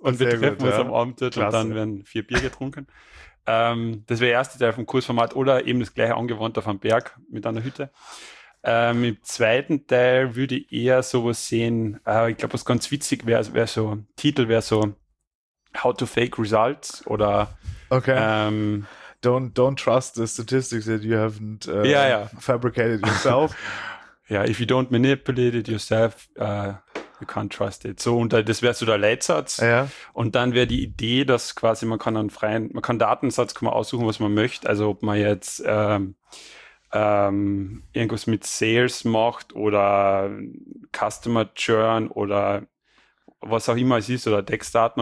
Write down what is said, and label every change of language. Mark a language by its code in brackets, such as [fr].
[de] Und sehr wir treffen gut, uns am Abend dort und dann werden vier Bier getrunken. Das wäre der erste Teil vom Kursformat oder eben das gleiche angewandt auf einem Berg mit einer Hütte. Im zweiten Teil würde ich eher sowas sehen, ich glaube, was ganz witzig wäre, wäre so [en] How to Fake Results [de] oder okay. [en] Don't trust the statistics that you haven't fabricated yourself. Ja, if you don't manipulate it yourself, you can't trust it. [de] So, und das wäre so der Leitsatz. Ja. Und dann wäre die Idee, dass quasi man kann Datensatz kann man aussuchen, was man möchte. Also ob man jetzt irgendwas mit Sales macht oder Customer Churn oder was auch immer es ist oder Textdaten.